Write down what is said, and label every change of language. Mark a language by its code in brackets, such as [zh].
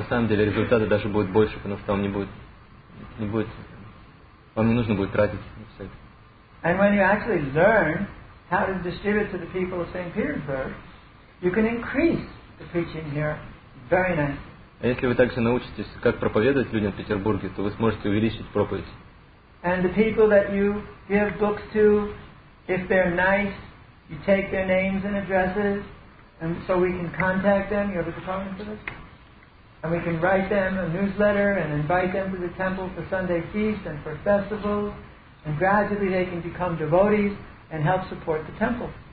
[ru] На самом деле результаты даже будут больше, потому что вам не будет. Вам не нужно будет тратить все это. [en] And when you actually learn how to distribute to the people of St. Petersburg, you can increase the preaching here very nicely. [ru] А если вы также научитесь, как проповедовать людям в Петербурге, то вы сможете увеличить проповедь. [en] And the people that you give books to, if they're nice, you take their names and addresses, and so we can contact them. You have a department for this? And we can write them a newsletter and invite them to the temple for Sunday feast and for festivals, and gradually they can become devotees and help support the temple.